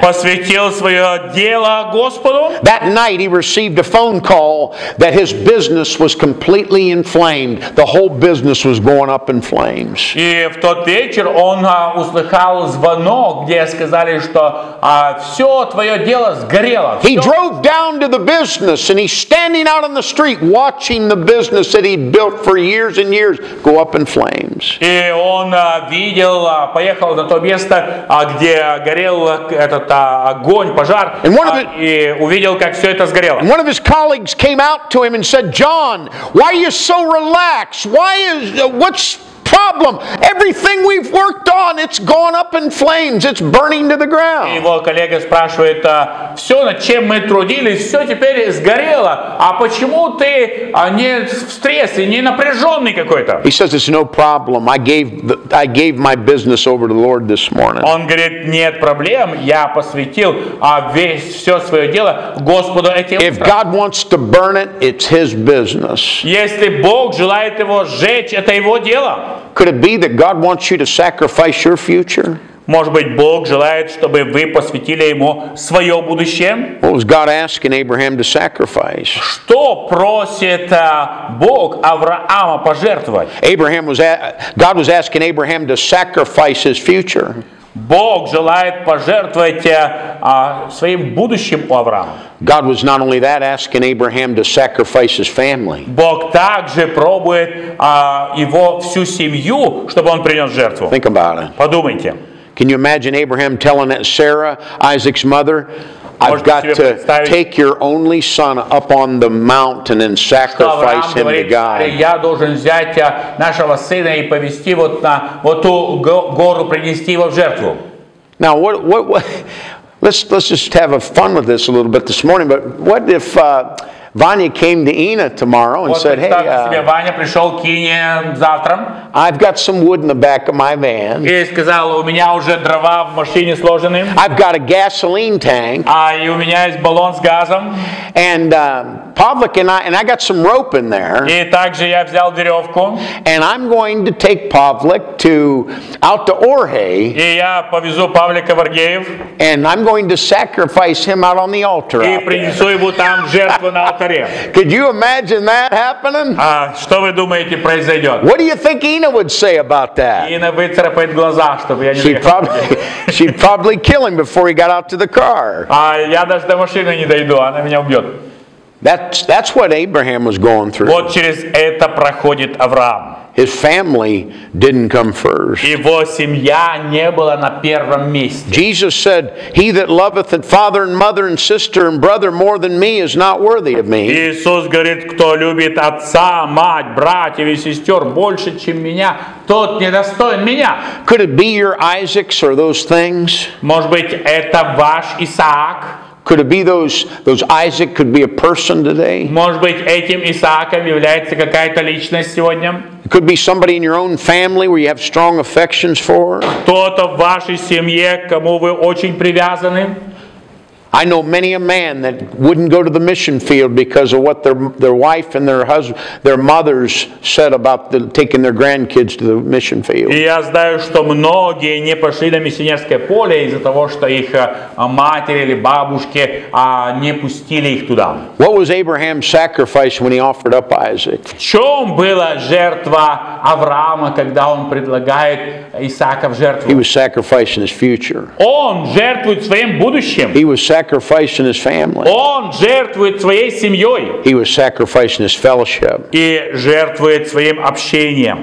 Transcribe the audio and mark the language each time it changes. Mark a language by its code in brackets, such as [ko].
[ru] Посвятил свое дело Господу. [en] That night he received a phone call that his business was completely inflamed. The whole business was going up in flames. [ru] И в тот вечер он услыхал звонок, где сказали, что все твое дело сгорело. [en] He drove down to the business and he's standing out on the street watching the business that he'd built for years and years go up in flames. [ru] И он видел, поехал на то место, где горел этот огонь, пожар, и увидел, как все это сгорело. [en] One of his colleagues came out to him and said, John, why are you so relaxed? Why is, what's problem? Everything we've worked on, it's gone up in flames. It's burning to the ground. [ru] Его коллега спрашивает: все, над чем мы трудились, все теперь сгорело. А почему ты не в стрессе, не напряженный какой-то? [en] He says it's no problem. I gave my business over to the Lord this morning. [ru] Он говорит: нет проблем, я посвятил все свое дело Господу этим утром. [en] If God wants to burn it, it's His business. [ru] Если Бог желает его сжечь, это его дело. [en] Could it be that God wants you to sacrifice your future? [ru] Может быть, Бог желает, чтобы вы посвятили ему свое будущее? [en] What was God asking Abraham to sacrifice? [ru] Что просит Бог Авраама пожертвовать? [en] Abraham was God was asking Abraham to sacrifice his future. [ru] Бог желает пожертвовать своим будущим у Авраама. [en] God was not only that asking Abraham to sacrifice his family. [ru] Бог также пробует его всю семью, чтобы он принес жертву. [en] Think about it. [ru] Подумайте. [en] Can you imagine Abraham telling that Sarah, Isaac's mother, I've got to take your only son up on the mountain and sacrifice him to God? [ru] Я должен взять нашего сына и повести вот на вот ту гору, принести его в жертву. [en] Now what let's just have a fun with this a little bit this morning, but what if Vanya came to Ina tomorrow and said, "Hey, [ru] Ваня пришел к Ине завтра. [en] I've got some wood in the back of my van. [ru] И сказал, у меня уже дрова в машине сложены. [en] I've got a gasoline tank. [ru] А и у меня есть баллон с газом. [en] And Pavlik and I got some rope in there. [ru] И также я взял веревку. [en] And I'm going to take Pavlik to out to Orhe. [ru] И я повезу Павлика в Оргеев. [en] And I'm going to sacrifice him out on the altar. [ru] И принесу его там жертву на. [en] Could you imagine that happening? [ru] Что вы думаете произойдет? [en] What do you think Ina would say about that? [ru] Ина выцарапает глаза, чтобы я не. [en] She'd probably kill him before he got out to the car. [ru] Я даже до машины не дойду, она меня убьет. [en] That's what Abraham was going through. [ru] Вот через это проходит Авраам. [en] His family didn't come first. [ru] Его семья не была на первом месте. [en] Jesus said, "He that loveth and father and mother and sister and brother more than me is not worthy of me." [ru] Иисус говорит, кто любит отца, мать, братьев и сестер больше, чем меня, тот недостоин меня. [en] Could it be your Isaacs or those things? [ru] Может быть, это ваш Исаак? [en] Could it be those Isaac could be a person today? [ru] Может быть, этим Исааком является какая-то личность сегодня? [en] It could be somebody in your own family where you have strong affections for. [ru] Кто-то в вашей семье, кому вы очень привязаны. [en] I know many a man that wouldn't go to the mission field because of what their wife and their husband, their mothers said about taking their grandkids to the mission field. [ru] Я знаю, что многие не пошли на миссионерское поле из-за того, что их матери или бабушки не пустили их туда. [en] What was Abraham's sacrifice when he offered up Isaac? [ru] В чем была жертва Авраама, когда он предлагает Исаака в жертву? [en] He was sacrificing his future. [ru] Он жертвует своим будущим. [en] He was sacrificing his family. [ru] Он жертвует своей семьей. [en] He was sacrificing his fellowship. [ru] И жертвует своим общением.